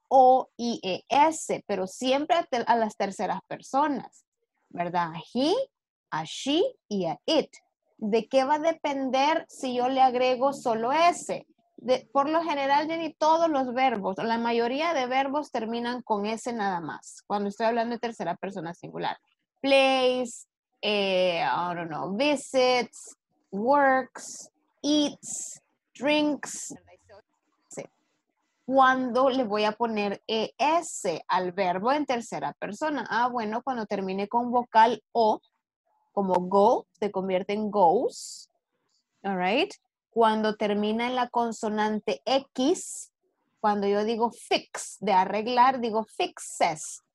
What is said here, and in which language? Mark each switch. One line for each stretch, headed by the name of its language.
Spanish: O, I, E, S, pero siempre a las terceras personas, ¿verdad? A he, a she y a it. ¿De qué va a depender si yo le agrego solo ese? Por lo general, Jenny, todos los verbos, la mayoría de verbos terminan con ese nada más. Cuando estoy hablando de tercera persona singular.
English: Plays, I don't know, visits, works, eats, drinks.
Spanish: ¿Cuándo le voy a poner ES al verbo en tercera persona? Ah, bueno, cuando termine con vocal O, como go, se convierte en goes.
English: All right.
Spanish: Cuando termina en la consonante X, cuando yo digo fix, de arreglar, digo fixes.